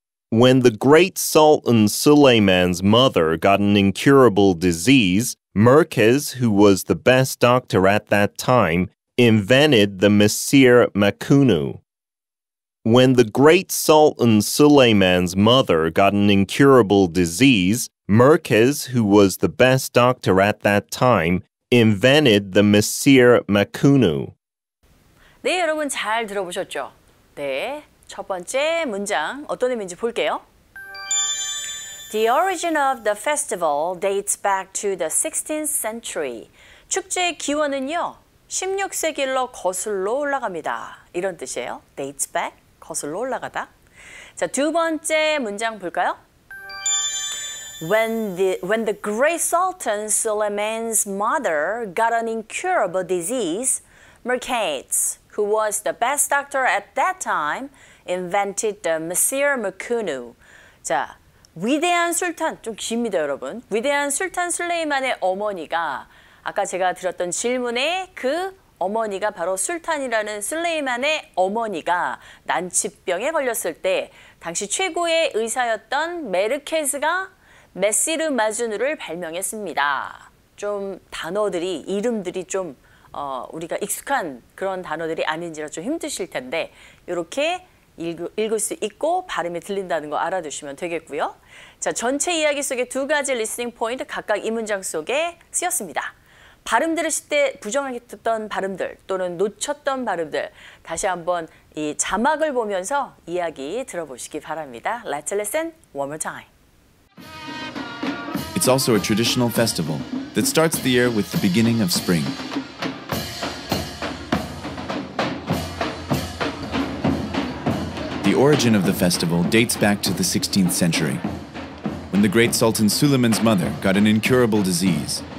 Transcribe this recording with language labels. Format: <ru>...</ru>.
<en>When the great Sultan Suleiman's mother got an incurable disease, Merkez, who was the best doctor at that time, invented the Mesir Makunu. When the great Sultan Suleiman's mother got an incurable disease, Merkez, who was the best doctor at that time, invented the Mesir Makunu.</en> <ko>네, 여러분 잘 들어보셨죠? 네, 첫 번째 문장 어떤 의미인지 볼게요.</ko> <en>The origin of the festival dates back to the 16th century.</en> <ko>축제의 기원은요, 16세기로 거슬러 올라갑니다. 이런 뜻이에요.</ko> <en>Dates back.</en> <ko>거슬러 올라가다. 자, 두 번째 문장 볼까요? When the great Sultan Suleiman's mother got an incurable disease, Merkez, who was the best doctor at that time, invented the Mesir Makunu. 자, 위대한 술탄, 좀 깁니다 여러분. 위대한 술탄 술레이만의 어머니가 아까 제가 드렸던 질문에 그 어머니가 바로 술탄이라는 슬레이만의 어머니가 난치병에 걸렸을 때 당시 최고의 의사였던 메르케즈가 메시르 마주누를 발명했습니다. 좀 단어들이, 이름들이 좀 우리가 익숙한 그런 단어들이 아닌지라 좀 힘드실 텐데 이렇게 읽을 수 있고 발음이 들린다는 거 알아두시면 되겠고요. 자, 전체 이야기 속에 두 가지 리스닝 포인트 각각 이 문장 속에 쓰였습니다. 발음 들으실 때 부정하게 듣던 발음들 또는 놓쳤던 발음들 다시 한번 이 자막을 보면서 이야기 들어보시기 바랍니다.</ko> <en>Let's listen one more time. It's also a traditional festival that starts the year with the beginning of spring. The origin of the festival dates back to the 16th century when the great Sultan Suleiman's mother got an incurable disease.</en>